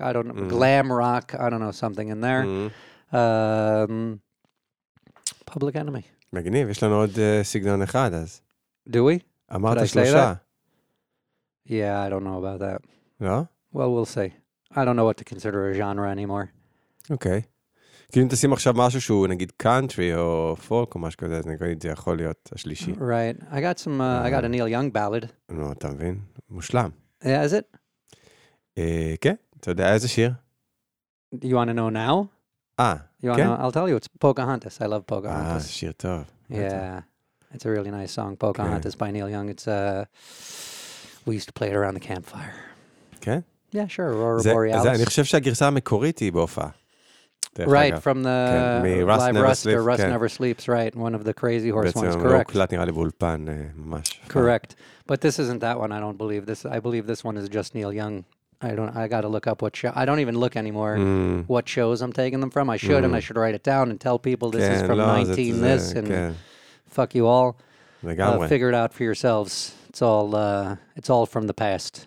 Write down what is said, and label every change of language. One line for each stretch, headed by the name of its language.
English: I don't know. Mm-hmm. Glam rock. I don't know. Something in there. Mm-hmm. Public Enemy.
Hebrew: מגניב. יש לנו עוד סגנון אחד, אז.
English: Do we?
Hebrew: אמרת שלושה.
English: Yeah, I don't know about that. No? Well, we'll see. I don't know what to consider a genre anymore. Okay.
Hebrew: כי אם תשים עכשיו משהו שהוא נגיד country או folk או משהו כזה, אז נגיד זה יכול להיות השלישי.
English: Right. I got some, I got a Neil Young ballad.
Hebrew: נו, אתה מבין? מושלם.
English: Yeah, is it?
Hebrew: כן. אתה יודע איזה שיר?
English: Do you want to know now?
Hebrew: אה, כן.
English: I'll tell you, it's Pocahontas. I love Pocahontas.
Hebrew: אה, שיר טוב.
English: Yeah. It's a really nice song, Pocahontas by Neil Young. It's, we used to play it around the campfire.
Hebrew: כן?
English: Yeah, sure. Aurora Borealis.
Hebrew: אני חושב שהגרסה המקורית היא בהופעה.
English: Right, from the Live Rust or Rust Never Sleeps, right. One of the crazy horse ones, correct.
Hebrew: בעצם לא קלט נראה לי באולפן ממש.
English: Correct. But this isn't that one, I don't believe. This. I believe this one is just Neil Young. I got to look up what show. I don't even look anymore what shows I'm taking them from. I should, and I should write it down and tell people this is from 19 this and fuck you all. Figure it out for yourselves. It's all from the past.